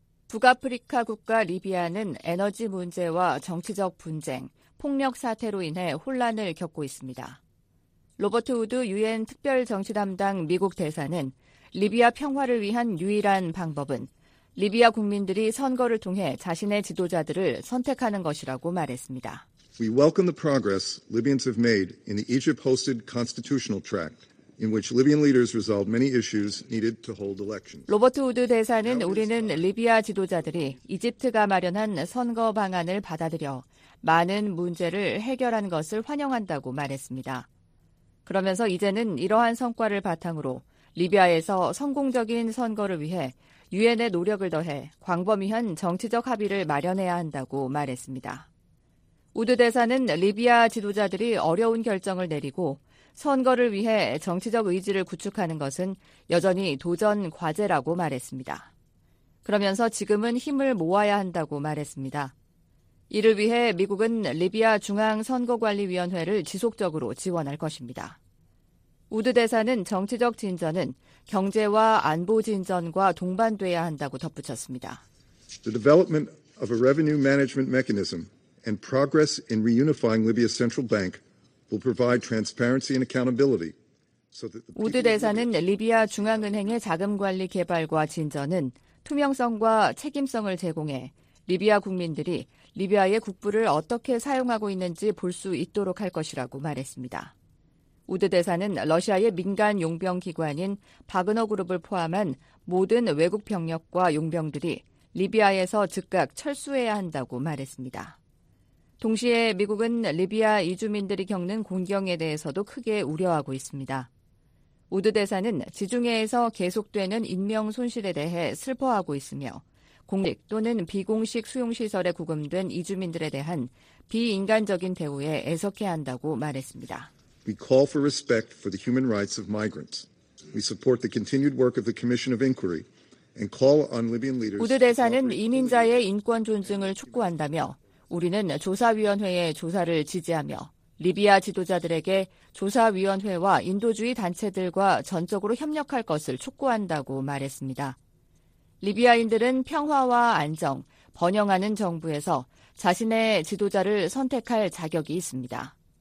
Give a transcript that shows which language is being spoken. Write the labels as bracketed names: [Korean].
[Korean] 북아프리카 국가 리비아는 에너지 문제와 정치적 분쟁, 폭력 사태로 인해 혼란을 겪고 있습니다. 로버트 우드 유엔 특별정치담당 미국 대사는 리비아 평화를 위한 유일한 방법은 리비아 국민들이 선거를 통해 자신의 지도자들을 선택하는 것이라고 말했습니다. [English] We welcome the progress Libyans have made in the Egypt-hosted constitutional tract in which Libyan leaders resolved many issues needed to hold elections. [Korean] 로버트 우드 대사는 우리는 리비아 지도자들이 이집트가 마련한 선거 방안을 받아들여 많은 문제를 해결한 것을 환영한다고 말했습니다. 그러면서 이제는 이러한 성과를 바탕으로 리비아에서 성공적인 선거를 위해 유엔의 노력을 더해 광범위한 정치적 합의를 마련해야 한다고 말했습니다. 우드 대사는 리비아 지도자들이 어려운 결정을 내리고 선거를 위해 정치적 의지를 구축하는 것은 여전히 도전 과제라고 말했습니다. 그러면서 지금은 힘을 모아야 한다고 말했습니다. 이를 위해 미국은 리비아 중앙선거관리위원회를 지속적으로 지원할 것입니다. 우드 대사는 정치적 진전은 경제와 안보 진전과 동반돼야 한다고 덧붙였습니다. [English] The development of a revenue management mechanism and progress in reunifying Libya's central bank will provide transparency and accountability. [Korean] 우드 대사는 리비아 중앙은행의 자금 관리 개발과 진전은 투명성과 책임성을 제공해 리비아 국민들이 리비아의 국부를 어떻게 사용하고 있는지 볼 수 있도록 할 것이라고 말했습니다. 우드 대사는 러시아의 민간 용병 기관인 바그너 그룹을 포함한 모든 외국 병력과 용병들이 리비아에서 즉각 철수해야 한다고 말했습니다. 동시에 미국은 리비아 이주민들이 겪는 곤경에 대해서도 크게 우려하고 있습니다. 우드 대사는 지중해에서 계속되는 인명 손실에 대해 슬퍼하고 있으며 공식 또는 비공식 수용시설에 구금된 이주민들에 대한 비인간적인 대우에 애석해야 한다고 말했습니다. [English] We call for respect for the human rights of migrants. We support the continued work of the Commission of Inquiry and call on Libyan leaders. [Korean] 우드 대사는 이민자의 인권 존중을 촉구한다며 우리는 조사위원회의 조사를 지지하며 리비아 지도자들에게 조사위원회와 인도주의 단체들과 전적으로 협력할 것을 촉구한다고 말했습니다. 리비아인들은 평화와 안정, 번영하는 정부에서 자신의 지도자를 선택할 자격이 있습니다.